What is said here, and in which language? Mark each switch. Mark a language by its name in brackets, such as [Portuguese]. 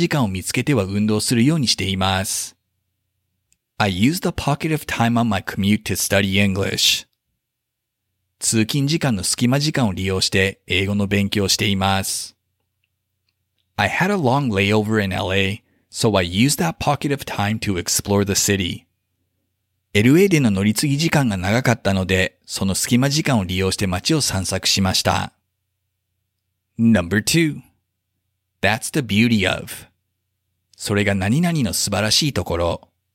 [Japanese] 日中はいつも隙間時間を見つけては運動するようにしています。 [English] I use the pocket of time on my commute to study English. [Japanese] 通勤時間の隙間時間を利用して英語の勉強をしています。 [English] I had a long layover in LA, so I used that pocket of time to explore the city. [Japanese] LA での乗り継ぎ時間が長かったので、その隙間時間を利用して街を散策しました。 [English] Number 2. That's the beauty of. [Japanese] それが何々の素晴らしいところ。